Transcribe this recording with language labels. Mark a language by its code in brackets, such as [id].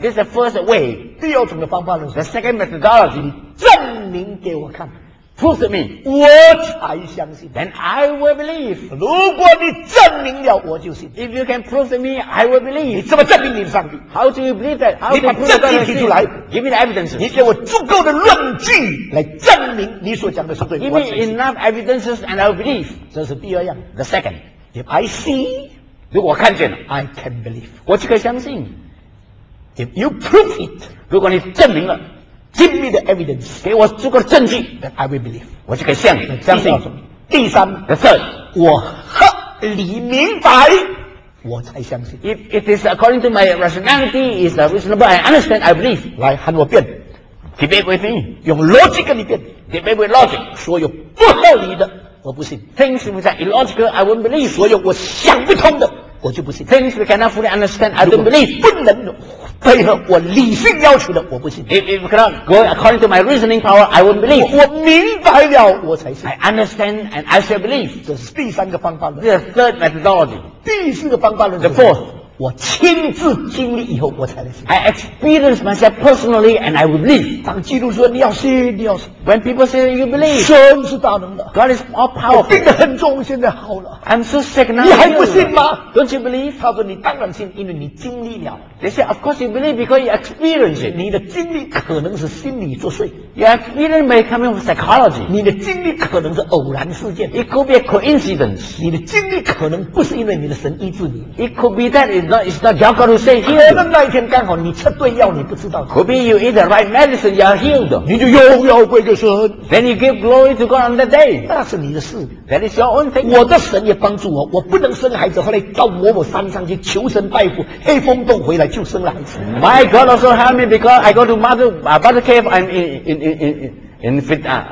[en] This is the first way. [zh] 第二种的方法论是 [en] The second methodology. [zh] 证明给我看。 [en] Prove to me. [zh] 我才相信。 [en] Then I will believe. [zh] 如果你证明了我就信。 [en] If you can prove to me, I will believe. [zh] 你怎么证明你的上帝？ [en] How do you believe that? How [zh] 你把证据提出来。 [en] Give me the evidence. [zh] 你给我足够的论据来证明你所讲的是对的。 [en] Give me enough evidences and I will believe. [zh] 这是第二样。 [en] The second. If I see, [zh] 如果我看见了 [en] I can believe. [zh] 我就可以相信。 [en] If you prove it, [zh] 如果你证明了 [en] Give me the evidence. [zh] 给我足够的证据 [en] that I will believe. [zh] 我就可以相信。第三 [en] the third. [zh] 我合理明白我才相信。 [en] If it is according to my rationality, is reasonable, I understand, I believe. [zh] 来喊我辩。 [en] Debate with me. [zh] 用逻辑跟你辩。 [en] Debate with logic. [zh] 所有不合理的，我不信。 [en] Things which are illogical, I won't believe. [zh] 所有我想不通的，我就不信。 [en] Things we cannot fully understand, I don't believe. [zh] 不能配合我理性要求的，我不信。 [en] If you cannot go according to my reasoning power, I won't believe. [zh] 我明白了，我才信。 [en] I understand and I shall believe. [zh] 这是第三个方法论。 [en] The third methodology. [zh] 第四个方法论。 [en] The fourth. [zh] 我亲自经历以后，我才能信。 [en] I experience myself personally, and I will believe. [zh] 当基督说你要信，你要信。 [en] When people say you believe, [zh] 神是大能的。 [en] God is all powerful. [zh] 我病得很重，现在好了。 [en] I'm so sick now. [zh] 你还不信吗 [en] ？Don't you believe? [zh] 他说你当然信，因为你经历了。 [en] They say, of course you believe because you experience it. [zh] 你的经历可能是心理作祟。 [en] Your experience may come from psychology. [zh] 你的经历可能是偶然事件。 [en] It could be a coincidence. [zh] 你的经历可能不是因为你的神医治你。 [en] It could be that it's not your God who say healed. [zh] 可能那一天刚好你吃对药，你不知道。 [en] Could be you eat the right medicine, you are healed. [zh] 你就又要归给神。 [en] Then you give glory to God on that day. [zh] 那是你的事。 [en] That is your own thing. [zh] 我的神也帮助我，我不能生孩子，后来到某某山上去求神拜佛，黑风洞回来。就生了孩子。 [en] My God also helped me because I go to mother cave and in